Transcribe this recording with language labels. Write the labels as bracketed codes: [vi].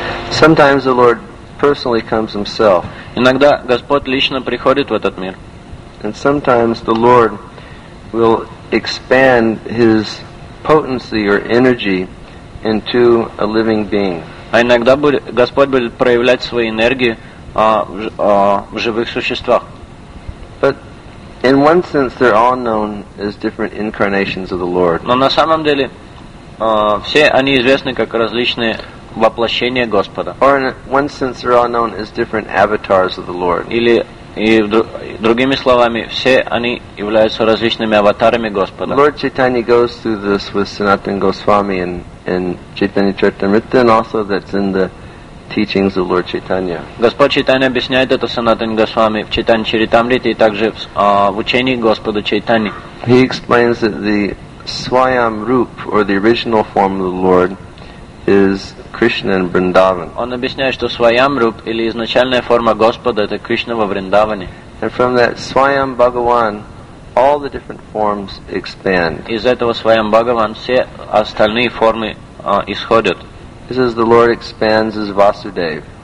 [en] Sometimes the Lord personally comes himself. [ru] Иногда Господь лично приходит в этот мир. [en] And sometimes the Lord will expand his potency or energy into a living being. [ru] А иногда Господь будет проявлять свою энергию в живых существах. [en] But in one sense they're all known as different incarnations of the Lord. [ru] Но на самом деле все они известны как различные воплощение Господа. [en] Or in one sense, they're all known as different avatars of the Lord. [ru] Или и другими словами, все они являются различными аватарами Господа. [en] Lord Chaitanya goes through this with Sanatana Goswami in Chaitanya Charitamrita, and also that's in the teachings of Lord Chaitanya. [ru] Господь Чайтанья объясняет это Санатана Госвами в Чайтанья Чаритамрите и также в учении Господа Чайтаньи. [en] He explains that the Swayam Rup or the original form of the Lord is Krishna in Vrindavan. [ru] Он объясняет, что Swayam Rup или изначальная форма Господа это Кришна во Вриндаване. [en] And from that Swayam Bhagavan, all the different forms expand. [ru] Из этого Swayam Bhagavan все остальные формы исходят. [en] This is the Lord expands as Vasudev.